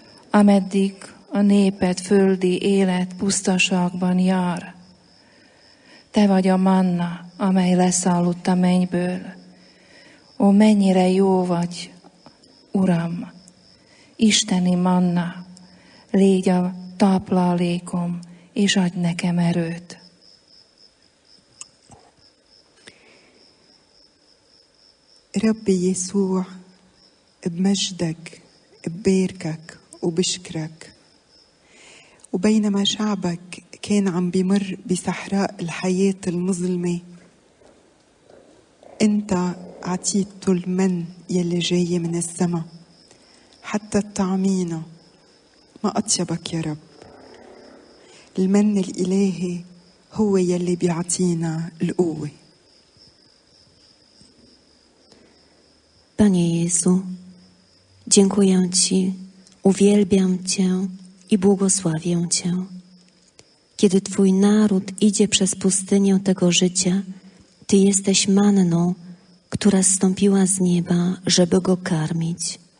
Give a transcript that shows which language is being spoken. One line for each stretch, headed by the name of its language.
Hungarian: Ameddig a néped földi élet pusztaságban jár, te vagy a manna, amely leszállott a mennyből. Ó, mennyire jó vagy, Uram, isteni manna, légy a táplálékom, és adj nekem erőt.
Arabic: ربي يسوع بمجدك ببيركك وبشكرك وبينما شعبك كان عم بمر بصحراء الحياة المظلمة انت عطيته المن يلي جاي من السماء حتى الطعمينه ما اطيبك يا رب المن الالهي هو يلي بيعطينا القوة
Polish: Panie Jezu, dziękuję Ci, uwielbiam Cię i błogosławię Cię. Kiedy Twój naród idzie przez pustynię tego życia, Ty jesteś manną, która zstąpiła z nieba, żeby go karmić.